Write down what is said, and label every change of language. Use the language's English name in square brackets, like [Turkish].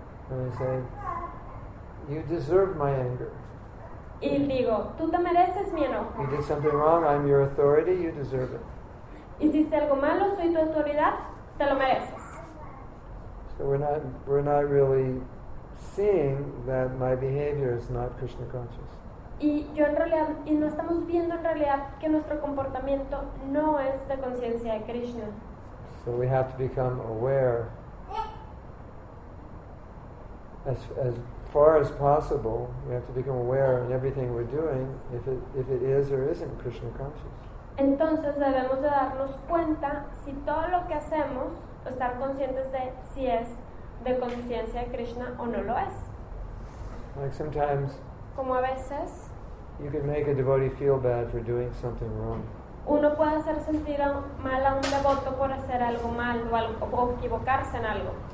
[English] And I say, you deserve my anger. [Spanish] y digo, tú te mereces mi enojo. [English] You did something wrong, I'm your authority, you deserve it. [Spanish] Hiciste algo malo, soy tu autoridad, te lo mereces. [English] So we're not really seeing that my behavior is not Krishna conscious. [Spanish] Y yo en realidad, y no estamos viendo en realidad que nuestro comportamiento no es de conciencia de Krishna. [English] So we have to become aware as far as possible, we have to become aware in everything we're doing if it is or isn't Krishna conscious. [Spanish] Entonces debemos de darnos cuenta si todo lo que hacemos, estar conscientes de si es de conciencia de Krishna o no lo es. [English] Like sometimes, [Spanish] como a veces, [English] you can make a devotee feel bad for doing something wrong. [Spanish] Uno puede hacer sentir mal a un devoto por hacer algo mal o equivocarse en algo.